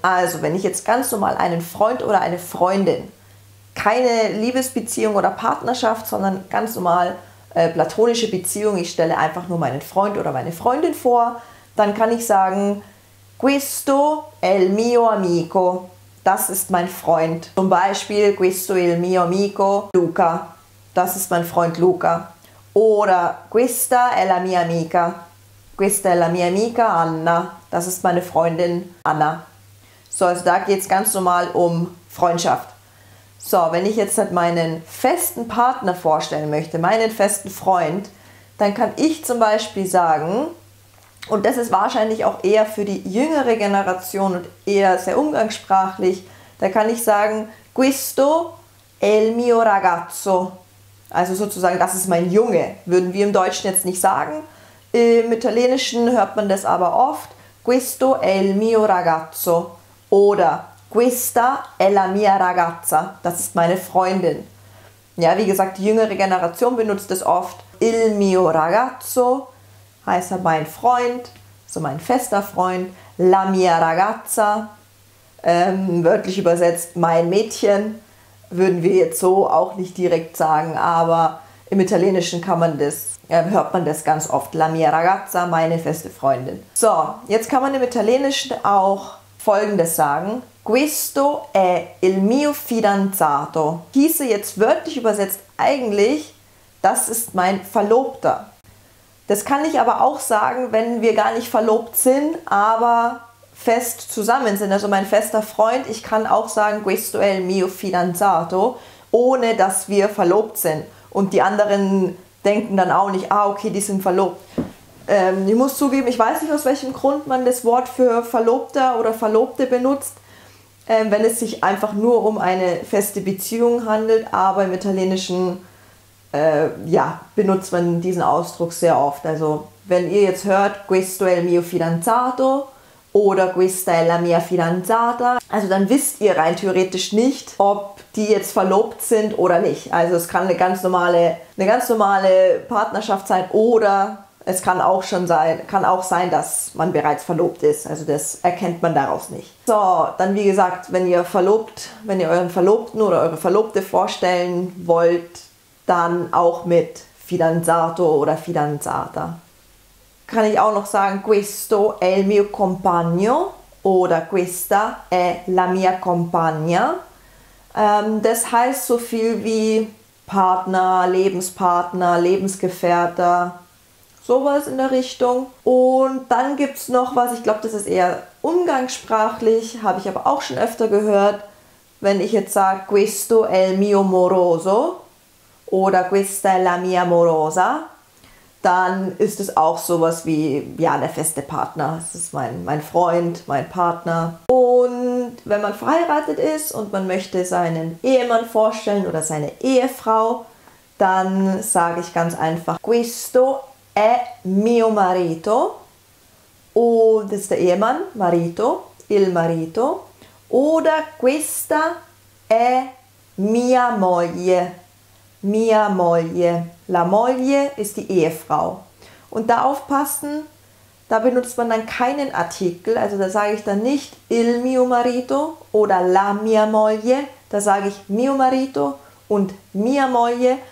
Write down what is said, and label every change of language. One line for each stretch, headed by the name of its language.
German: Also, wenn ich jetzt ganz normal einen Freund oder eine Freundin, keine Liebesbeziehung oder Partnerschaft, sondern ganz normal platonische Beziehung, ich stelle einfach nur meinen Freund oder meine Freundin vor, dann kann ich sagen,
Italian: questo è il mio amico,
German: das ist mein Freund. Zum Beispiel,
Italian: questo è il mio amico Luca.
German: Das ist mein Freund Luca.
Italian: Oder questa è la mia amica. Questa è la mia amica Anna.
German: Das ist meine Freundin Anna. So, also da geht es ganz normal um Freundschaft. So, wenn ich jetzt halt meinen festen Partner vorstellen möchte, meinen festen Freund, dann kann ich zum Beispiel sagen, und das ist wahrscheinlich auch eher für die jüngere Generation und eher sehr umgangssprachlich, da kann ich sagen,
Italian: questo è il mio ragazzo.
German: Also sozusagen, das ist mein Junge, würden wir im Deutschen jetzt nicht sagen. Im Italienischen hört man das aber oft.
Italian: Questo è il mio ragazzo. Oder questa è la mia ragazza.
German: Das ist meine Freundin. Ja, wie gesagt, die jüngere Generation benutzt das oft.
Italian: Il mio ragazzo
German: heißt ja mein Freund, so mein fester Freund.
Italian: La mia ragazza,
German: wörtlich übersetzt mein Mädchen. Würden wir jetzt so auch nicht direkt sagen, aber im Italienischen kann man das, hört man das ganz oft.
Italian: La mia ragazza,
German: meine feste Freundin. So, jetzt kann man im Italienischen auch Folgendes sagen.
Italian: Questo è il mio fidanzato.
German: Hieße jetzt wörtlich übersetzt eigentlich, das ist mein Verlobter. Das kann ich aber auch sagen, wenn wir gar nicht verlobt sind, aber fest zusammen sind, also mein fester Freund. Ich kann auch sagen,
Italian: questo è il mio fidanzato,
German: ohne dass wir verlobt sind. Und die anderen denken dann auch nicht, ah, okay, die sind verlobt. Ich muss zugeben, ich weiß nicht, aus welchem Grund man das Wort für Verlobter oder Verlobte benutzt, wenn es sich einfach nur um eine feste Beziehung handelt. Aber im Italienischen, ja, benutzt man diesen Ausdruck sehr oft. Also, wenn ihr jetzt hört,
Italian: questo è il mio fidanzato,
German: oder
Italian: questa è la mia fidanzata.
German: Also dann wisst ihr rein theoretisch nicht, ob die jetzt verlobt sind oder nicht. Also es kann eine ganz normale Partnerschaft sein oder es kann auch sein, dass man bereits verlobt ist. Also das erkennt man daraus nicht. So, dann wie gesagt, wenn ihr euren Verlobten oder eure Verlobte vorstellen wollt, dann auch mit fidanzato oder fidanzata. Kann ich auch noch sagen,
Italian: questo è il mio compagno
German: oder
Italian: questa è la mia compagna.
German: Das heißt so viel wie Partner, Lebensgefährter, sowas in der Richtung. Und dann gibt es noch was, ich glaube, das ist eher umgangssprachlich, habe ich aber auch schon öfter gehört, wenn ich jetzt sage,
Italian: questo è il mio moroso
German: oder
Italian: questa è la mia morosa.
German: Dann ist es auch sowas wie ja, der feste Partner. Es ist mein Freund, mein Partner. Und wenn man verheiratet ist und man möchte seinen Ehemann vorstellen oder seine Ehefrau, dann sage ich ganz einfach,
Italian: questo è mio marito.
German: Oh, das ist der Ehemann,
Italian: marito, il marito. Oder questa è mia moglie. Mia moglie, la moglie
German: ist die Ehefrau. Und da aufpassen, da benutzt man dann keinen Artikel, also da sage ich dann nicht
Italian: il mio marito
German: oder
Italian: la mia moglie,
German: da sage ich
Italian: mio marito
German: und
Italian: mia moglie.